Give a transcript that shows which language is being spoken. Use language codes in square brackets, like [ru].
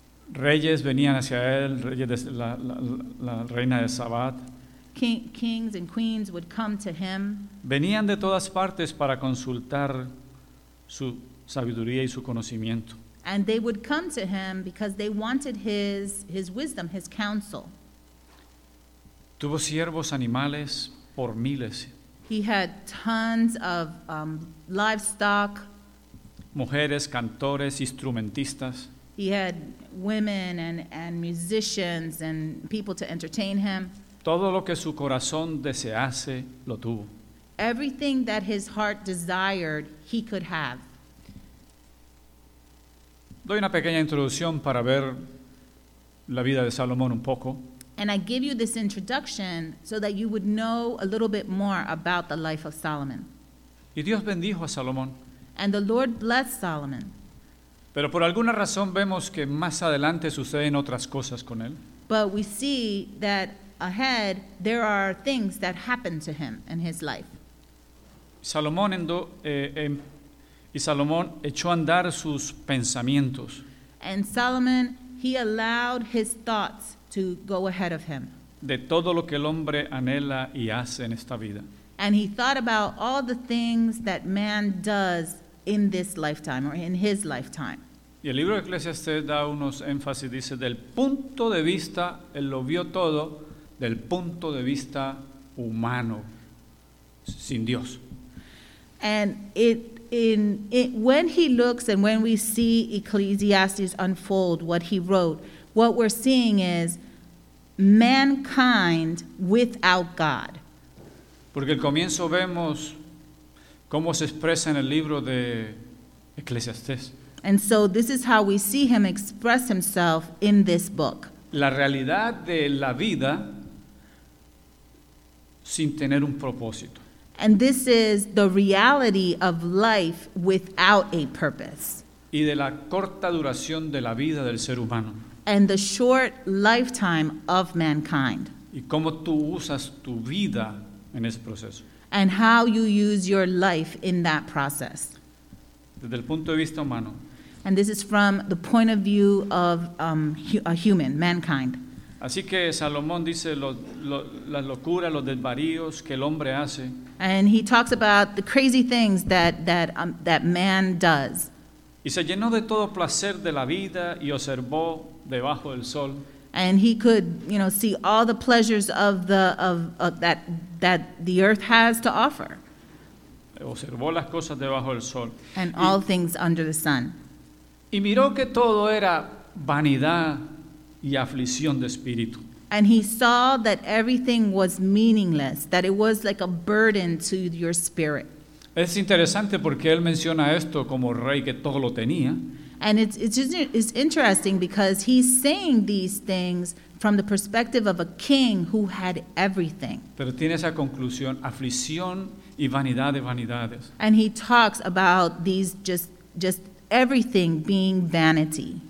[es] Reyes venían hacia él, reyes de la reina de Sabat. [en] Kings and queens would come to him. [es] Venían de todas partes para consultar su sabiduría y su conocimiento. [en] And they would come to him because they wanted his wisdom, his counsel. [es] Tuvo siervos animales por miles. [en] He had tons of livestock. [es] Mujeres, cantores, instrumentistas. [en] He had women and musicians and people to entertain him. [es] Todo lo que su corazón desease, lo tuvo. [en] Everything that his heart desired, he could have. [es] Doy una pequeña introducción para ver la vida de Salomón un poco. [en] And I give you this introduction so that you would know a little bit more about the life of Solomon. [es] Y Dios bendijo a Salomón. [en] And the Lord blessed Solomon. [es] Pero por alguna razón vemos que más adelante suceden otras cosas con él. [en] But we see that ahead, there are things that happen to him in his life. [es] Salomón echó a andar sus pensamientos. [en] And Solomon, he allowed his thoughts to go ahead of him. [es] De todo lo que el hombre anhela y hace en esta vida. [en] And he thought about all the things that man does in this lifetime or in his lifetime. [es] Y el libro de Eclesiastes da unos énfasis, dice, del punto de vista, él lo vio todo. Del punto de vista humano, sin Dios. [en] And when he looks and when we see Ecclesiastes unfold what he wrote, what we're seeing is mankind without God. [es] Porque el comienzo vemos cómo se expresa en el libro de Ecclesiastes. [en] And so this is how we see him express himself in this book. [es] La realidad de la vida sin tener un propósito. [en] And this is the reality of life without a purpose. [es] Y de la corta duración de la vida del ser humano. [en] And the short lifetime of mankind. [es] Y cómo tú usas tu vida en ese proceso. [en] And how you use your life in that process. [es] Desde el punto de vista humano. [en] And this is from the point of view of a human, mankind. [es] Así que Salomón dice las locuras, los desvaríos que el hombre hace. [en] And he talks about the crazy things that man does. [es] Y se llenó de todo placer de la vida y observó debajo del sol. [en] And he could, you know, see all the pleasures of that the earth has to offer. [es] observó las cosas debajo del sol. [en] And all things under the sun. [es] Y miró que todo era vanidad y aflicción de espíritu. [en] And he saw that everything was meaningless, that it was like a burden to your spirit. [es] Es interesante porque él menciona esto como rey que todo lo tenía. [en] And it's interesting because he's saying these things from the perspective of a king who had everything. [es] Pero tiene esa conclusión, aflicción y vanidad de vanidades. [en] And he talks about these just everything being vanity.